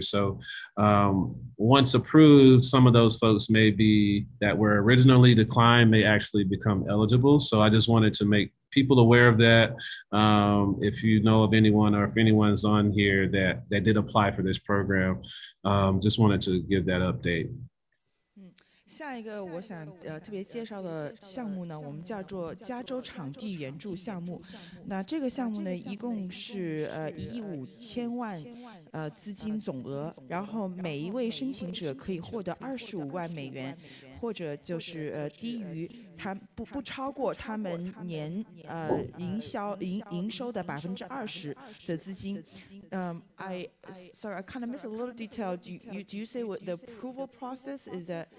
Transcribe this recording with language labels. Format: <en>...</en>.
<en>So once approved, some of those folks may be that were originally declined may actually become eligible. So I just wanted to make people aware of that. If you know of anyone or if anyone's on here that did apply for this program, just wanted to give that update.</en> <zh>下一个我想特别介绍的项目呢，我们叫做加州场地援助项目。那这个项目呢，一共是1.5亿资金总额，然后每一位申请者可以获得$25万，或者就是低于他不超过他们年营收的20%的资金。</zh> <en>I kind of miss a little detail. Do you say what the approval process is?</en>